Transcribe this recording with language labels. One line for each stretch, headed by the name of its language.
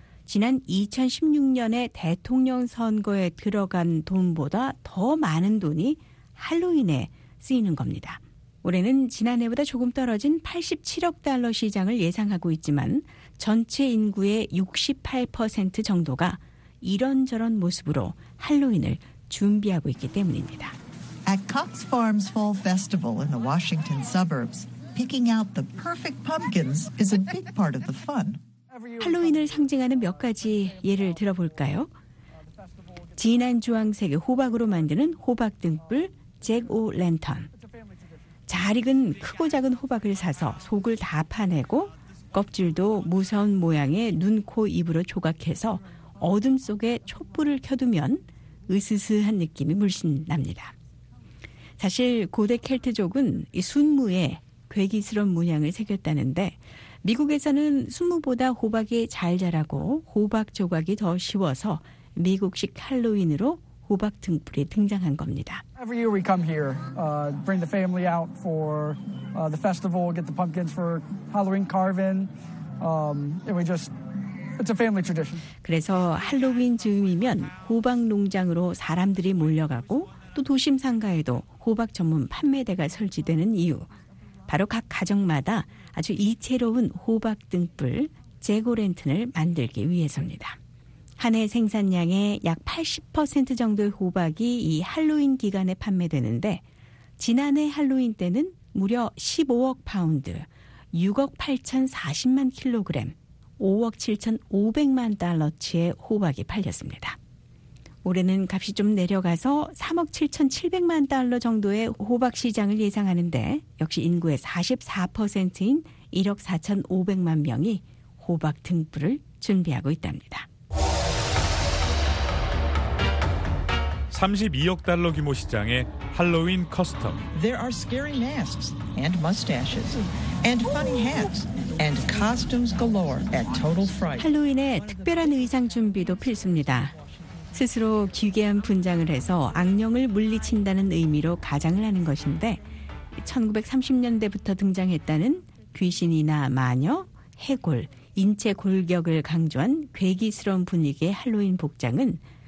Korean: 지난 2016년에 대통령 선거에 들어간 돈보다 더 많은 돈이 할로윈에 쓰이는 겁니다. 올해는 지난해보다 조금 떨어진 87억 달러 시장을 예상하고 있지만 전체 인구의 68% 정도가 이런저런 모습으로 할로윈을 준비하고 있기 때문입니다.
English: At Cox Farms Fall Festival in the Washington suburbs, picking out the perfect pumpkins is a big part of the fun.
Korean: 할로윈을 상징하는 몇 가지 예를 들어볼까요? 진한 주황색의 호박으로 만드는 호박 등불 잭 오 랜턴. 잘 익은 크고 작은 호박을 사서 속을 다 파내고 껍질도 무서운 모양의 눈, 코, 입으로 조각해서 어둠 속에 촛불을 켜두면 으스스한 느낌이 물씬 납니다. 사실 고대 켈트족은 이 순무에 괴기스러운 문양을 새겼다는데 미국에서는 순무보다 호박이 잘 자라고 호박 조각이 더 쉬워서 미국식 할로윈으로 호박 등불이 등장한 겁니다.
English: Every year we come here, bring the family out for the festival, get the pumpkins for Halloween carving. It's a family tradition.
Korean: 그래서 할로윈 즈음이면 호박 농장으로 사람들이 몰려가고 또 도심 상가에도 호박 전문 판매대가 설치되는 이유. 바로 각 가정마다 아주 이채로운 호박 등불, 제고랜턴을 만들기 위해서입니다. 한 해 생산량의 약 80% 정도의 호박이 이 할로윈 기간에 판매되는데 지난해 할로윈 때는 무려 15억 파운드, 6억 8,040만 킬로그램, 5억 7,500만 달러치의 호박이 팔렸습니다. 올해는 값이 좀 내려가서 3억 7,700만 달러 정도의 호박 시장을 예상하는데 역시 인구의 44%인 1억 4,500만 명이 호박 등불을 준비하고 있답니다. 32억 달러 규모 시장의 할로윈 커스텀.
English: There are scary masks and mustaches and funny hats and costumes galore at Total Fright.
Korean: 할로윈에 특별한 의상 준비도 필수입니다. 스스로 기괴한 분장을 해서 악령을 물리친다는 의미로 가장을 하는 것인데 1930년대부터 등장했다는 귀신이나 마녀, 해골, 인체 골격을 강조한 괴기스러운 분위기의 할로윈 복장은